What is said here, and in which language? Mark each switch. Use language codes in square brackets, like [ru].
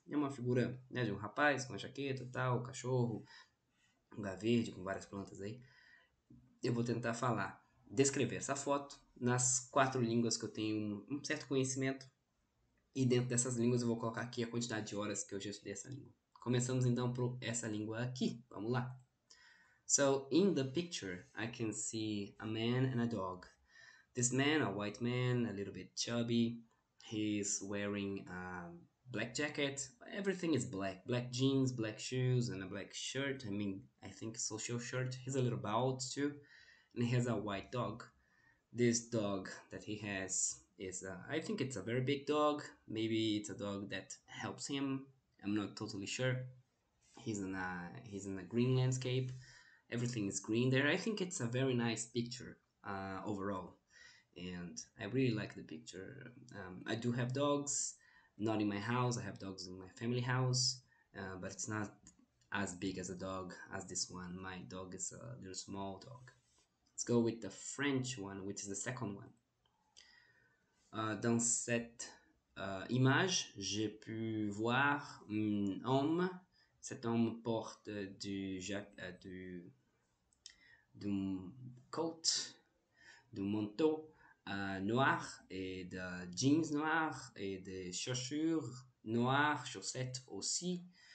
[pt] É uma figura, né, de um rapaz com uma jaqueta, tal, um cachorro, um lugar verde com várias plantas aí. Eu vou tentar falar. Descrever essa foto nas quatro línguas que eu tenho um certo conhecimento, e dentro dessas línguas eu vou colocar aqui a quantidade de horas que eu já estudei essa língua. Começamos então por essa língua aqui. Vamos lá. [en] So, in the picture, I can see a man and a dog. This man, a white man, a little bit chubby. He's wearing a black jacket. Everything is black. Black jeans, black shoes, and a black shirt. I mean, I think social shirt. He's a little bald too. And he has a white dog. This dog that he has is I think it's a very big dog. Maybe it's a dog that helps him. I'm not totally sure. He's in a green landscape. Everything is green there. I think it's a very nice picture overall. And I really like the picture. I do have dogs, not in my house. I have dogs in my family house, but it's not as big as a dog as this one. My dog is a little small dog. Let's go with the French one, which is the second one. [fr] Dans cette image, j'ai pu voir un homme. Cet homme porte du coat, du manteau noir et de jeans noirs et des chaussures noires, chaussettes aussi.